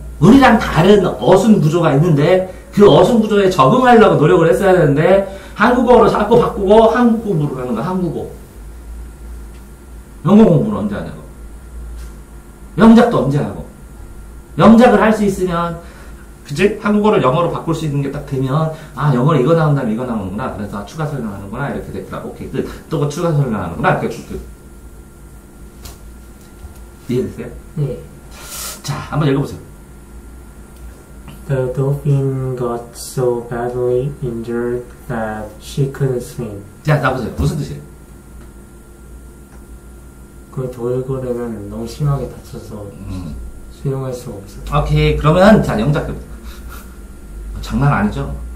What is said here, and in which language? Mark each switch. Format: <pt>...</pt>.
<ko>우리랑 다른 어순 구조가 있는데 그 어순 구조에 적응하려고 노력을 했어야 되는데 한국어로 자꾸 바꾸고 한국어 물어보는 거야 한국어 영어 공부는 언제 하냐고 영작도 언제 하고 영작을 할 수 있으면 그치? 한국어를 영어로 바꿀 수 있는 게 딱 되면 아 영어로 이거 나온다면 이거 나오는구나 그래서 아, 추가 설명하는구나 이렇게 됐구나 오케이 끝 또 그 추가 설명하는구나 이렇게 줄게 이해됐어요? 네 자 한번 읽어보세요</ko> <en>The dolphin got so badly injured that she couldn't swim.</en> <ko>자, 나보세요. 무슨 뜻이에요? 그 돌고래는 너무 심하게 다쳐서 수영할 수가 없어요. 오케이, 그러면 자, 영작 장난 아니죠?</ko>